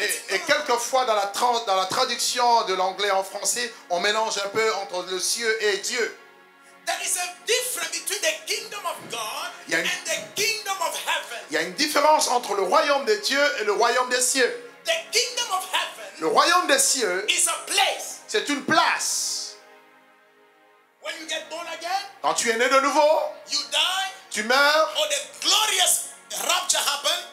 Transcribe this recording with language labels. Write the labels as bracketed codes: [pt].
[fr] et quelquefois dans la traduction de l'anglais en français, on mélange un peu entre le ciel et Dieu. [en] There is a difference between the kingdom of God and the kingdom of heaven. [fr] Il y a une différence entre le royaume de Dieu et le royaume des cieux. [en] The kingdom of heaven. [fr] Le royaume des cieux [en] is a place. [fr] C'est une place. [en] When you get born again, [fr] quand tu es né de nouveau, [en] you die, [fr] tu meurs, [en] or the glorious rapture happens,